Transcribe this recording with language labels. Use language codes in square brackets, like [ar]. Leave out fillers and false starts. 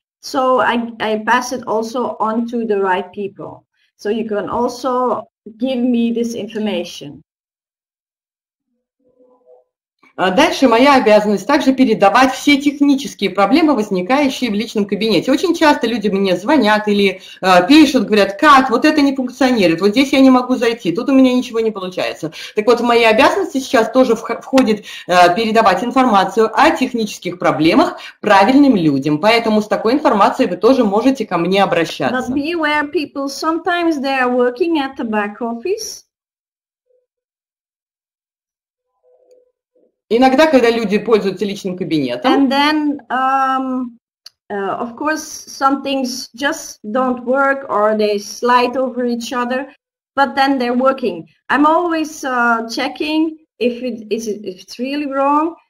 [en] So I pass it also on to the right people. So you can also give me this information. [ru] Дальше моя обязанность также передавать все технические проблемы, возникающие в личном кабинете. Очень часто люди мне звонят или пишут, говорят, как вот это не функционирует, вот здесь я не могу зайти, тут у меня ничего не получается. Так вот, в мои обязанности сейчас тоже входит передавать информацию о технических проблемах правильным людям. Поэтому с такой информацией вы тоже можете ко мне обращаться. [en] But be aware, people, sometimes they are working at the back office. [ru] Иногда, когда люди пользуются личным кабинетом. [en] And then, of course, some things just don't work or they slide over each other. but then they're working. I'm always checking if it is if it's really wrong.